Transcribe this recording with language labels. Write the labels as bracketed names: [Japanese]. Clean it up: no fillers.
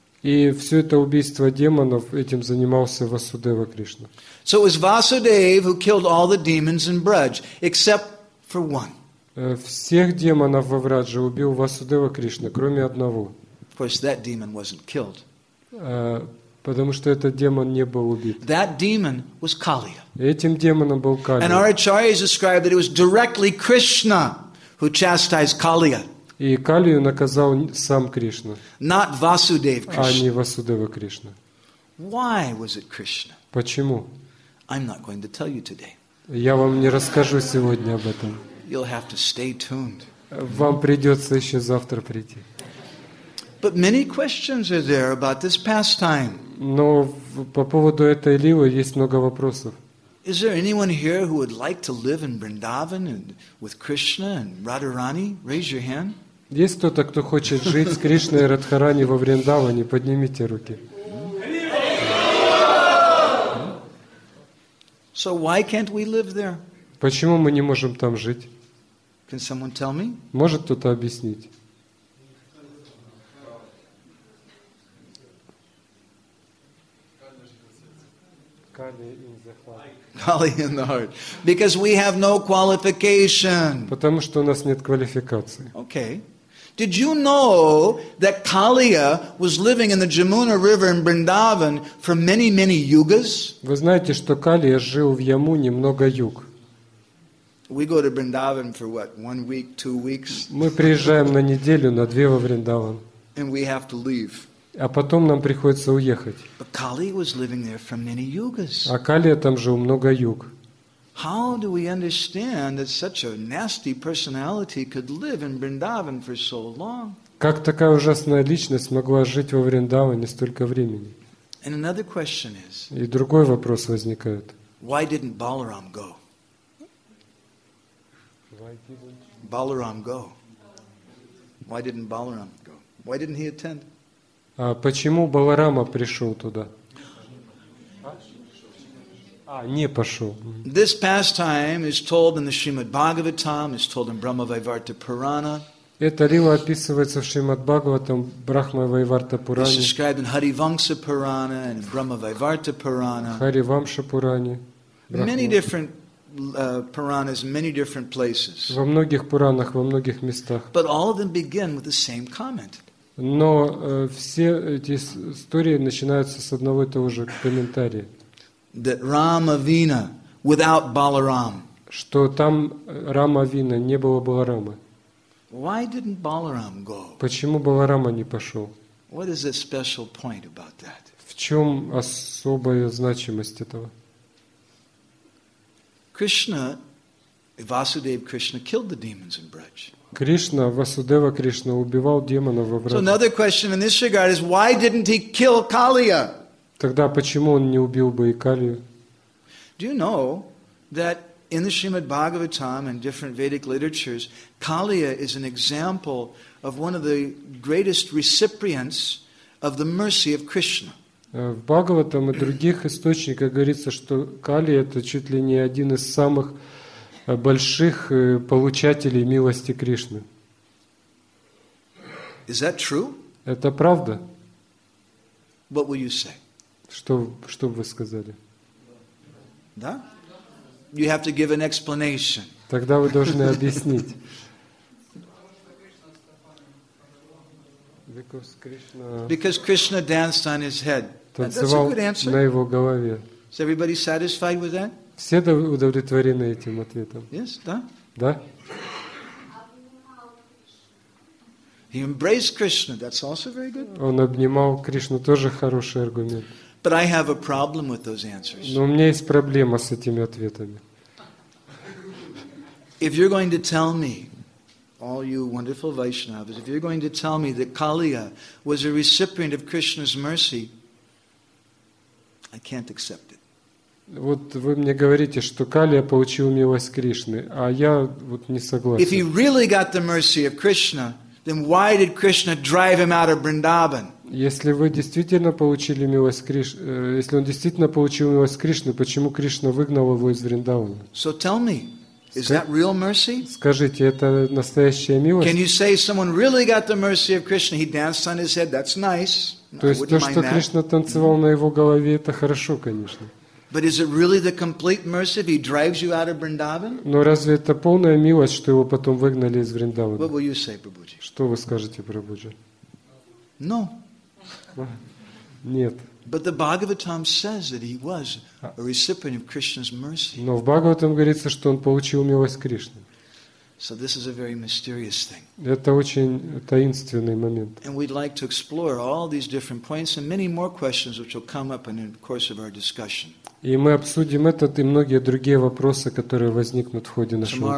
[Russian] И все это убийство демонов этим занимался Васудева Кришна. [English] So it was Vasudev who killed all the demons in Braj, except for one. [Russian] Всех демонов во Врадже убил Васудева Кришна, кроме одного. [English] Of course, that demon wasn't killed. [Russian] Потому что этот демон не был убит. [English] That demon was Kaliya. [Russian] Этим демоном был Калия. [English] And our acharyas described that it was directly Krishna who chastised Kaliya. [Russian] И Калию наказал сам Кришна. [English] Not Vasudev Krishna. [Russian] А не Васудева Кришна. [English] Why was it Krishna? [Russian] Почему? [English] I'm not going to tell you today. [Russian] Я вам не расскажу сегодня об этом. [English] You'll have to stay tuned. [Russian] Вам придется еще завтра прийти. [English] But many questions are there about this pastime. [Russian] Но по поводу этой ливы есть много вопросов. [English] Is there anyone here who would like to live in Vrindavan and with Krishna and Radharani? Raise your hand. [Russian] Есть кто-то, кто хочет жить с Кришной и Радхарани во Вриндаване? Поднимите руки. [English] So why can't we live there? [Russian] Почему мы не можем там жить? [English] Can someone tell me? [Russian] Может кто-то объяснить? [English] Kali in the heart. Because we have no qualification. [Russian] Потому что у нас нет квалификации. [English] Okay. Did you know that Kaliya was living in the Jamuna River in Vrindavan for many, many yugas? [Russian] Вы знаете, что Калия жил в Ямуне много юг. [English] We go to Vrindavan for what? 1 week, 2 weeks? [Russian] Мы приезжаем на неделю, на две во Вриндаван. [English] And we have to leave. [Russian] А потом нам приходится уехать. [English] But Kali was living there for many yugas. [Russian] А Калия там жил много юг. [English] How do we understand that such a nasty personality could live in Vrindavan for so long? [Russian] Как такая ужасная личность могла жить во Вриндаване столько времени? [English] And another question is. [Russian] И другой вопрос возникает. [English] Why didn't Balaram go? Balaram go. Why didn't Balaram go? Why didn't he attend? [Russian] А почему Баларама пришел туда? А, не пошел. [English] This pastime is told in the Srimad Bhagavatam, is told in Brahma Vaivarta Purana. [Russian] Эта лила описывается в Шримад Бхагаватам, Брахма Вайварта Пуране. [English] It's described in Харивамса Пурана and Брахма Вайварта Пурана. [Russian] Харивамса Пуране. [English] Many different Puranas, many different places. [Russian] Во многих Пуранах, во многих местах. [English] But all of them begin with the same comment. [Russian] Но все эти истории начинаются с одного и того же комментария. [English] That Rama Vina without Balaram. [Russian] Что там Рама Вина, не было Баларамы. [English] Why didn't Balaram go? [Russian] Почему Баларама не пошел? [English] What is the special point about that? [Russian] В чем особая значимость этого? [English] Krishna, Vasudev Krishna killed the demons in Braj. [Russian] Кришна, Васудева Кришна убивал демонов во Враже. [English] So another question in this regard is why didn't he kill Kaliya? [Russian] Тогда почему он не убил бы и Калию? [English] Do you know that in the Srimad Bhagavatam and different Vedic literatures, Kaliya is an example of one of the greatest recipients of the mercy of Krishna? [Russian] В Бхагаватам и других источниках говорится, что Калия это чуть ли не один из самых больших получателей милости Кришны. [English] Is that true? [Russian] Это правда? [English] What will you say? [Russian] Что бы вы сказали? [English] Да? You have to give an explanation. [Russian] Тогда вы должны объяснить. [English] Because Krishna danced on his head. That's a good answer. [Russian] На его голове. [English] Is everybody satisfied with that? [Russian] Все удовлетворены этим ответом. [English] Yes, да? [Russian] Да. [English] He embraced Krishna. That's also very good. [Russian] Он обнимал Кришну, тоже хороший аргумент. [English] But I have a problem with those answers. [Russian] Но у меня есть проблема с этими ответами. [English] If you're going to tell me, all you wonderful Vaishnavas, if you're going to tell me that Kaliya was a recipient of Krishna's mercy, I can't accept it. [Russian] Вот вы мне говорите, что Калия получил милость Кришны, а я вот не согласен. [English] If he really got the mercy of Krishna, then why did Krishna drive him out of Vrindavan? [Russian] Если вы действительно получили милость Кришны, если он действительно получил милость Кришны, почему Кришна выгнал его из Вриндавана? [English] So tell me, is that real mercy? [Russian] Скажите, это настоящая милость? [English] Can you say someone really got the mercy of Krishna? He danced on his head. That's nice. [Russian] То есть то, что Кришна танцевал на его голове, это хорошо, конечно. [English] But is it really the complete mercy if he drives you out of Vrindavan? [Russian] Но разве это полная милость, что его потом выгнали из Вриндавана? [English] What will you say, Prabhuji? [Russian] Что вы скажете, Прабхуджи? [English] No. [Russian] Нет. [English] But the Bhagavatam says that he was a recipient of Krishna's mercy. [Russian] Но в Бхагаватам говорится, что он получил милость Кришны. [English] So this is a very mysterious thing. [Russian] Это очень таинственный момент. [English] And we'd like to explore all these different points and many more questions which will come up in the course of our discussion. [Russian] И мы обсудим этот и многие другие вопросы, которые возникнут в ходе нашего